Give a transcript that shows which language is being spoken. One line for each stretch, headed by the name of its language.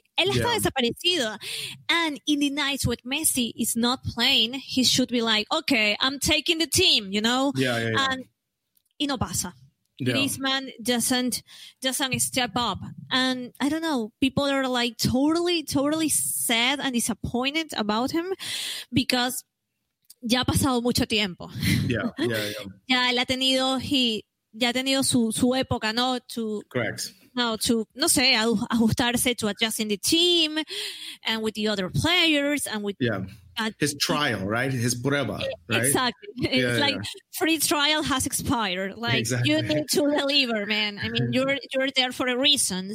Spanish: Él está desaparecido.
English: And in the nights when Messi is not playing, he should be like, okay, I'm taking the team, you know? Yeah. And
Spanish: y no pasa.
English: Griezmann doesn't step up. And I don't know, people are like totally, totally sad and disappointed about him because
Spanish: ya ha pasado mucho tiempo.
English: Yeah.
Spanish: Ya él ha tenido, ya ha tenido su época, ¿no?
English: Ajustarse, to adjust in the team and with the other players and with His trial, right? His prueba, right? Exactly. It's like free trial has expired. Like, exactly. You need to deliver, man. I mean, you're there for a reason.